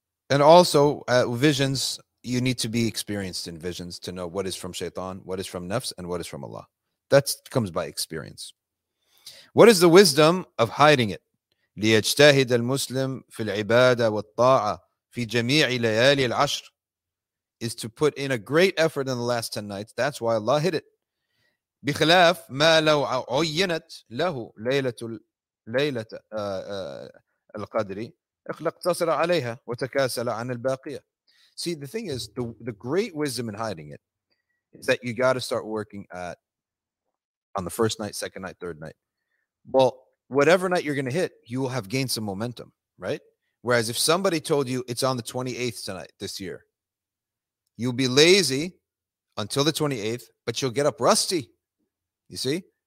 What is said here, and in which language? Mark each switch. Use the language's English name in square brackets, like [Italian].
[English] And also, visions, you need to be experienced in visions to know what is from shaitan, what is from nafs, and what is from Allah. That comes by experience. What is the wisdom of hiding it? [Arabic] ليجتهد المسلم في العبادة والطاعة في جميع ليالي العشر, [English] is to put in a great effort in the last 10 nights. That's why Allah hid it. [Arabic] بخلاف ما لو عينت له ليلة القدر اقتصر عليها وتكاسل عن الباقية. [English] See, the thing is, the great wisdom in hiding it is that you got to start working at on the first night, second night, third night. Well, whatever night you're going to hit, you will have gained some momentum, right? Whereas if somebody told you it's on the 28th tonight this year, you'll be lazy until the 28th, but you'll get up rusty. You see?